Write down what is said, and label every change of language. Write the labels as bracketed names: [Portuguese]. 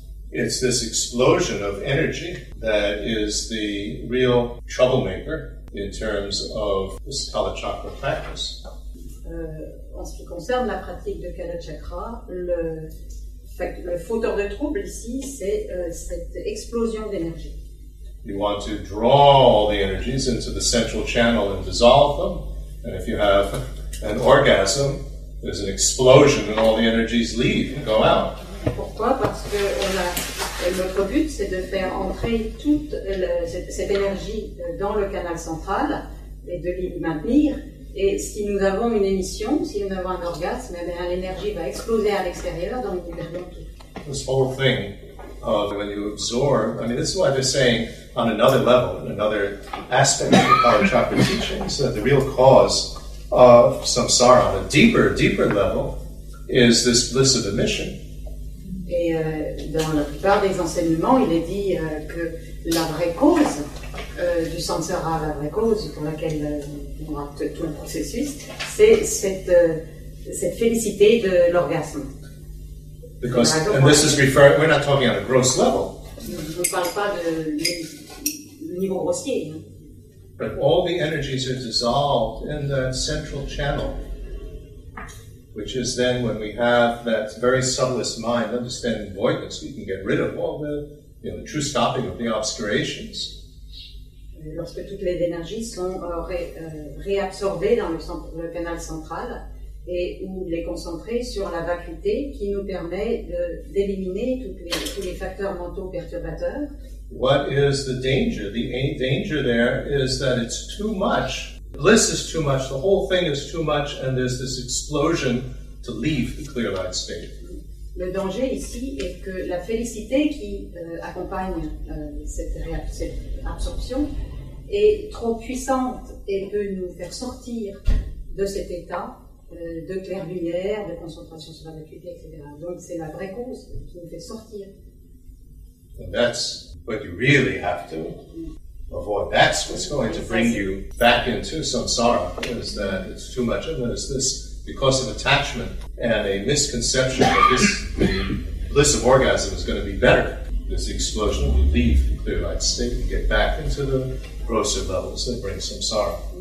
[English] It's this explosion of energy that is the real troublemaker in terms of this Kalachakra practice. [French] En ce qui concerne la pratique de Kalachakra, le fauteur de trouble ici, c'est cette explosion d'énergie. [English] You want to draw all the energies into the central channel and dissolve them. And if you have an orgasm, there's an explosion and all the energies leave and go out. [French] Pourquoi? Parce que notre but, c'est de faire entrer toute cette énergie dans le canal central et de l'y maintenir. Et si nous avons une émission, si nous avons un orgasme, l'énergie va exploser à l'extérieur dans le canal. [English] This whole thing of when you absorb, I mean, this is why they're saying on another level, another aspect of the Kalachakra teachings, that the real cause of samsara on a deeper level is this bliss of emission. [French] Et dans la plupart des enseignements, il est dit que la vraie cause du samsara, la vraie cause pour laquelle on a tout le processus, c'est cette félicité de l'orgasme. [English] Because, and this is referring, we're not talking on a gross level. [French] Je ne parle pas de niveau grossier. [English] But all the energies are dissolved in the central channel, which is then when we have that very subtlest mind, understanding voidness, we can get rid of all the true stopping of the obscurations. [French] Lorsque toutes les énergies sont réabsorbées dans le canal central, et où les concentrer sur la vacuité qui nous permet d'éliminer tous les facteurs mentaux perturbateurs. [English] What is the danger? The danger there is that it's too much. Bliss is too much, the whole thing is too much, and there's this explosion to leave the clear light state. [French] Le danger ici est que la félicité qui accompagne cette absorption est trop puissante et peut nous faire sortir de cet état de clair-lumière, de concentration sur la vacuité, etc. Donc c'est la vraie cause qui nous fait sortir. [English] And that's what you really have to avoid. That's what's going to bring you back into samsara, is that it's too much. And it's this, because of attachment and a misconception that this, the bliss of orgasm is going to be better, this explosion, we leave the clear light state, we get back into the grosser levels that bring samsara.